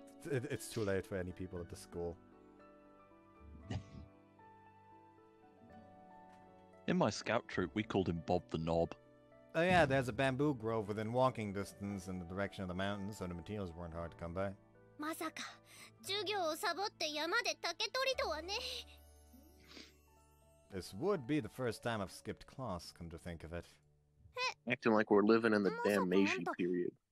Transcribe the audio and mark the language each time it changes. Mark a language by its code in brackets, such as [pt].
[en] It's too late for any people at the school. In my scout troop, we called him Bob the Knob. Oh yeah, there's a bamboo grove within walking distance in the direction of the mountain, so the materials weren't hard to come by. [ja] まさか、授業をサボって山で竹取りとはね。 [en] This would be the first time I've skipped class, come to think of it. Acting like we're living in the damn Meiji period.